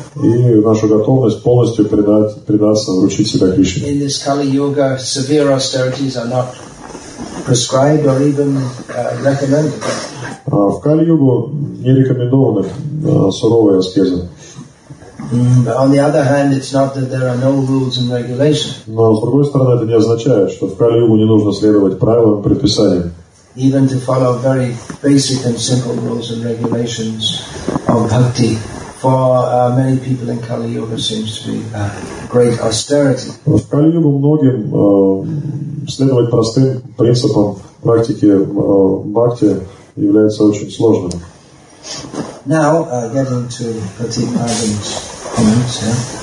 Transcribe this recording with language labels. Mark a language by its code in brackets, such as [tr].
[ru] И нашу готовность полностью предаться, вручить себя Кришне. [en] In this Kali-yuga, severe austerities are not prescribed or even recommended. [ru] В Кали-югу не рекомендованы суровые аскезы. [en] But on the other hand, it's not that there are no rules and regulations. [ru] Но с другой стороны, это не означает, что в Кали-югу не нужно следовать правилам и предписаниям. [en] Even to follow very basic and simple rules and regulations of bhakti for many people in Kali-yuga seems to be great austerity. [ru] В Кали-югу многим следовать простым принципам практики бхакти является очень сложным. [en] Now, getting to Pratik Pardon's comments here.